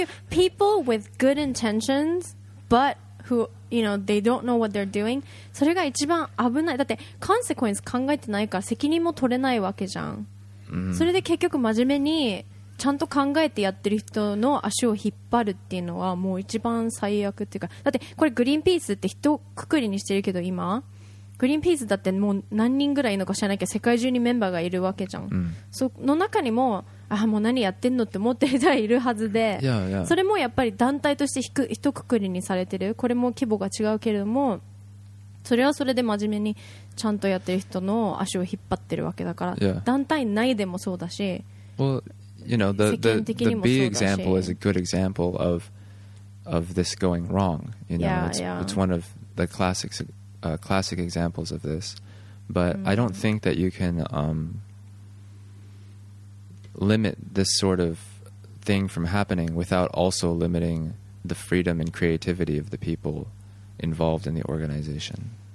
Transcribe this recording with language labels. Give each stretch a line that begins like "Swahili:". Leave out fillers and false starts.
English: People with good intentions, but who, you know, they don't know what they're doing.
Japanese: それが一番危ない。だって、コンセクエンス考えてないから責任も取れないわけじゃん。それで結局真面目にちゃんと考えてやってる人の足を引っ張るっていうのはもう一番最悪っていうか。だって、これグリーンピースって一括りにしてるけど今。グリーンピースだってもう何人ぐらいのか知らないけど世界中にメンバーがいるわけじゃん、その中にももう何やってんのって思ってる人はいるはずで、それもやっぱり団体として一くくりにされてる。これも規模が違うけれども、それはそれで真面目にちゃんとやってる人の足を引っ張ってるわけだから、団体内でもそうだし、
English: Well, you know, the bee example is a good example of this going wrong. You know, it's one of the classics ofclassic examples of this, but I don't think that you can limit this sort of thing from happening without also limiting the freedom and creativity of the people involved in the organization.